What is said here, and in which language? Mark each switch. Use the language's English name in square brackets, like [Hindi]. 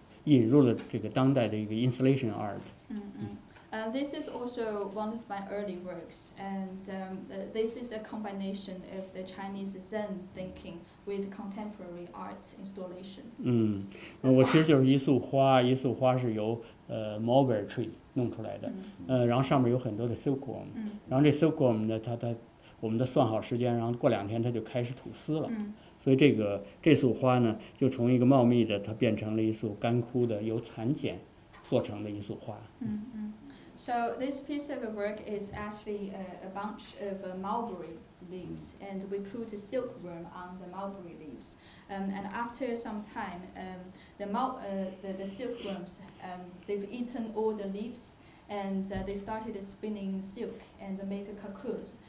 [Chinese] 这件作品呢，我也想介绍一下。它其实是我比较早的一件作品，就是它把这种中国的一种禅的思想引入了这个当代的一个 installation art. [English] This is also one of my early works, and this is a combination of the Chinese Zen thinking with contemporary art installation. [Chinese] 嗯，我其实就是一束花，一束花是由mulberry tree弄出来的，然后上面有很多的 silkworm，然后这 silkworm呢，它我们的算好时间，然后过两天它就开始吐丝了，所以这个这束花呢，就从一个茂密的，它变成了一束干枯的，由蚕茧做成的一束花。 [English] So this piece of work is actually a bunch of mulberry leaves, and we put a silkworm on the mulberry leaves. And after some time, the silkworms, they've eaten all the leaves, and they started spinning silk and make cocoons.